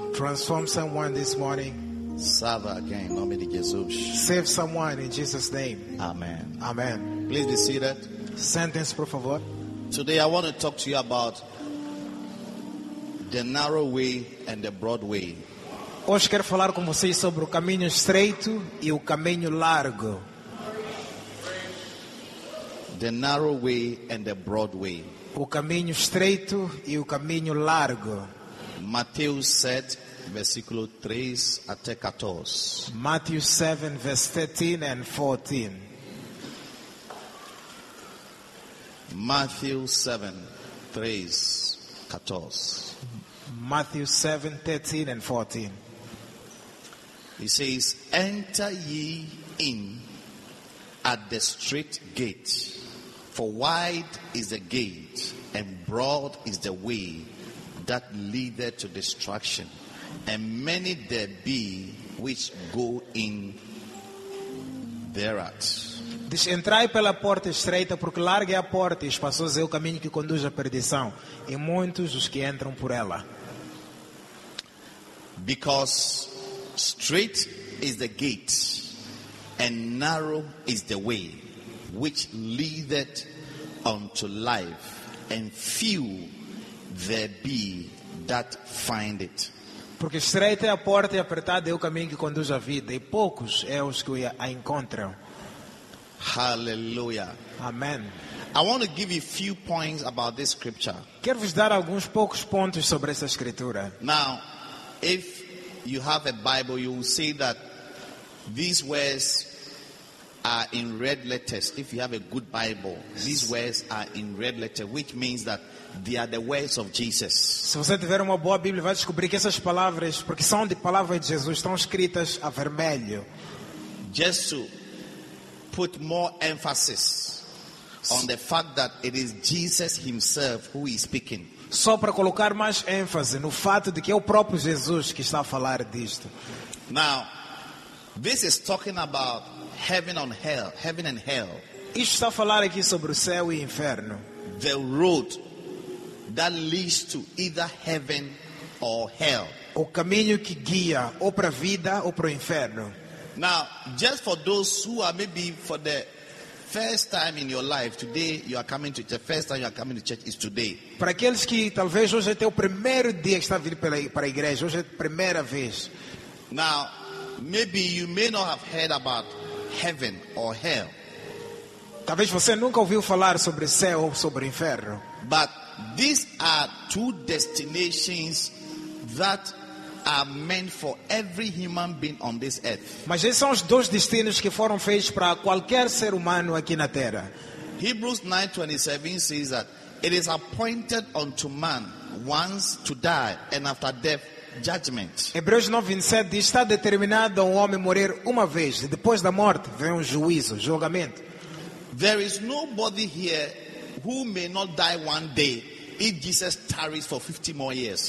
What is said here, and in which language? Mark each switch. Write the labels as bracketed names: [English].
[English] Transform someone this morning. [Portuguese] Salva alguém em nome de Jesus. [English] Save someone in Jesus' name. Amen. Amen. Please be seated. [Portuguese] Sentence, por favor. [English] Today I want to talk to you about the narrow way and the broad way. [Portuguese] Hoje quero falar com vocês sobre o caminho estreito e o caminho largo. [English] The narrow way and the broad way. [Portuguese] O caminho estreito e o caminho largo. Mateus 7, versículo 3 até 14. [English] Matthew 7, verse 13 and 14. Matthew 7, 3, 14. Matthew 7, 13 and 14. He says, enter ye in at the straight gate. For wide is the gate, and broad is the way that leadeth to destruction, and many there be which go in thereat. [Portuguese] Diz, entrai pela porta estreita, porque larga é a porta, e espaçoso é o caminho que conduz à perdição, e muitos os que entram por ela. [English] Because straight is the gate, and narrow is the way which leadeth unto life, and few there be that find it. [Portuguese] Porque estreita é a porta e apertado é o caminho que conduz à vida, e poucos é os que a encontram. [English] Hallelujah. Amen. I want to give you a few points about this scripture. [Portuguese] Quero vos dar alguns poucos pontos sobre essa escritura. [English] Now, if you have a Bible, you will see that these words are in red letters. If you have a good Bible, these words are in red letters, which means that they are the words of Jesus. [Portuguese] Se você tiver uma boa Bíblia, vai descobrir que essas palavras, porque são de palavra de Jesus, estão escritas a vermelho. [English] Just to put more emphasis on the fact that it is Jesus himself who is speaking. [Portuguese] Só para colocar mais ênfase no fato de que é o próprio Jesus que está a falar disto. [English] Now, this is talking about heaven on hell, heaven and hell. [Portuguese] Isto está a falar aqui sobre o céu e o inferno. [English] The road that leads to either heaven or hell. [Portuguese] O caminho que guia ou para a vida ou para o inferno. [English] Now, just for those who are maybe for the first time in your life today, you are coming to the first time you are coming to church is today. [Portuguese] Para aqueles que talvez hoje é o primeiro dia que está a vir para a igreja, hoje é a primeira vez. [English] Now, maybe you may not have heard about heaven or hell. [Portuguese] Talvez você nunca ouviu falar sobre céu ou sobre inferno. [English] But these are two destinations that are meant for every human being on this earth. [Portuguese] Mas esses são os dois destinos que foram feitos para qualquer ser humano aqui na Terra. [English] Hebrews 9:27 says that it is appointed unto man once to die, and after death judgment. [Portuguese] Hebreus 9:27 diz, está determinado a um homem morrer uma vez, e depois da morte vem um juízo, julgamento. [English] There is nobody here who may not die one day if Jesus tarries for 50 more years.